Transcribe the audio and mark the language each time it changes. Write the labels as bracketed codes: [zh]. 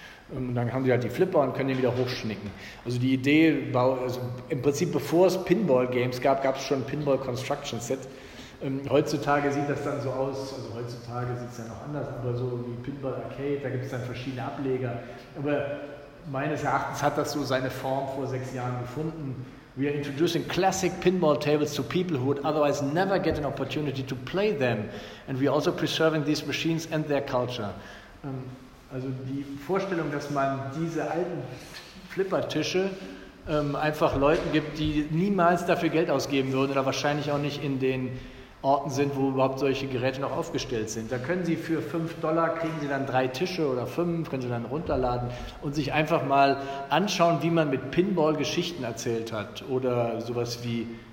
[de] Und dann haben Sie halt die Flipper und können den wieder hochschnicken. Also die Idee, also im Prinzip bevor es Pinball-Games gab, gab es schon ein Pinball-Construction-Set. Heutzutage sieht das dann so aus, also heutzutage sieht es ja noch anders, aber so wie Pinball-Arcade, da gibt es dann verschiedene Ableger. Aber meines Erachtens hat das so seine Form vor 6 Jahren gefunden. [en] We are introducing classic pinball tables to people who would otherwise never get an opportunity to play them. And we are also preserving these machines and their culture. [de] Also die Vorstellung, dass man diese alten Flippertische einfach Leuten gibt, die niemals dafür Geld ausgeben würden oder wahrscheinlich auch nicht in den Orten sind, wo überhaupt solche Geräte noch aufgestellt sind. Da können Sie für $5 kriegen Sie dann 3 Tische oder 5, können Sie dann runterladen und sich einfach mal anschauen, wie man mit Pinball Geschichten erzählt hat oder sowas wie